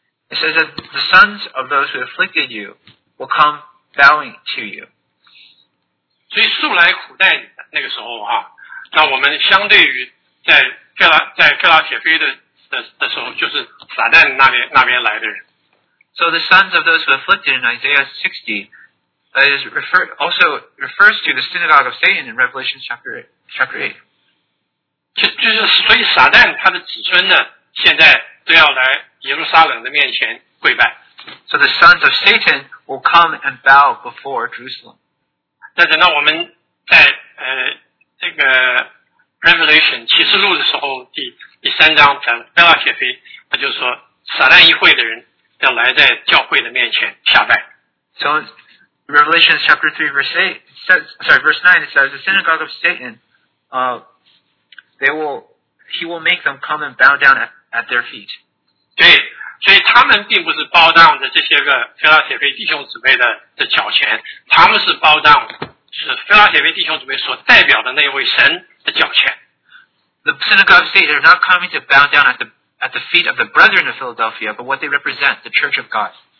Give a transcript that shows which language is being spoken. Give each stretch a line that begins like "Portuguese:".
English: It says that the sons of those who afflicted you will come bowing to you.
Chinese: 所以素来苦待你的那个时候啊，那我们相对于在哥拉铁菲 的时候，就是撒旦那边来的人。
English: So the sons of those who afflicted in Isaiah 60 refers to the synagogue of Satan in Revelation chapter 8.
Chinese: 就是所以撒旦他的子孙呢，现在都要来耶路撒冷的面前跪拜。
English: So the sons of Satan will come and bow before Jerusalem.
Chinese: 但是呢，我们在这个 Revelation 启示录的时候，第三章讲腓拉铁菲，他就说撒旦议会的人要来在教会的面前下拜。
English: So Revelation chapter 3 verse 8 says, sorry, verse 9 it says the synagogue of Satan, he will make them come and bow down at their feet.
Chinese: 对，所以他们并不是
English: bow down
Chinese: 的这些个腓拉铁菲弟兄姊妹的脚前，他们是 bow down 是腓拉铁菲弟兄姊妹所代表的那位神的脚前。
English: The synagogue of Satan are not coming to bow down at the feet of the brethren of Philadelphia, but what they represent, the Church of God.